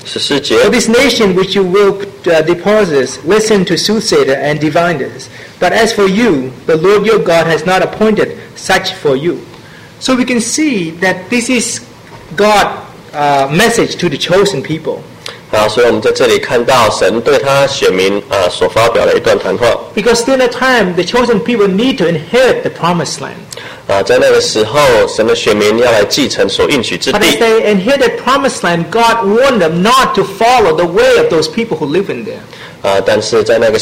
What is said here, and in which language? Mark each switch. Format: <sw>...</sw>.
<zh>14节,</zh> <en>for this nation which you will deposit, listen to soothsayer and diviners. But as for you, the Lord your God has not appointed such for you. So we can see that this is God's message to the chosen people.</en> <zh>所以我们在这里看到神对他选民所发表的一段谈话。</zh> <en>Because during that time, the chosen people need to inherit the promised land.</en> <zh>在那个时候，神的选民要来继承所应许之地。</zh> <en>But as they inherit the promised land, God warned them not to follow the way of those people who live in there.</en>